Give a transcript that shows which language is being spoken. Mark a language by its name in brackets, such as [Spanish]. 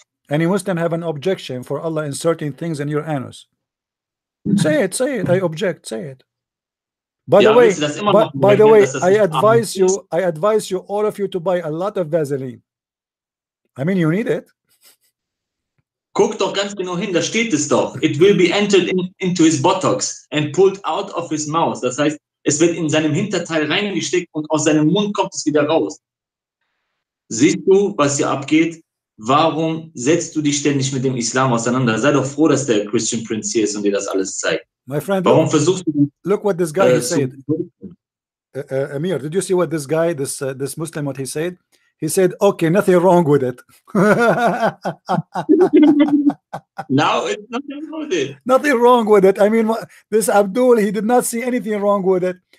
[English] Any Muslim have an objection for Allah inserting things in your anus? Say it, say it. I object, say it. By the way, I advise you, I advise you, all of you, to buy a lot of Vaseline. I mean, you need it. [German] Guck doch ganz genau hin, da steht es doch. [English] It will be entered into his buttocks and pulled out of his mouth. [German] Das heißt, es wird in seinem Hinterteil reingesteckt und aus seinem Mund kommt es wieder raus. Siehst du, was hier abgeht? Warum setzt du dich ständig mit dem Islam auseinander? Sei doch froh, dass der Christian Prince hier ist und dir das alles zeigt. [English] My friend, [German] warum [English] look, [German] versuchst du, [English] look what this guy said. Amir, did you see what this guy, this Muslim, what he said? He said, okay, nothing wrong with it. Now it's nothing wrong with it. Nothing wrong with it. I mean, this Abdul, he did not see anything wrong with it.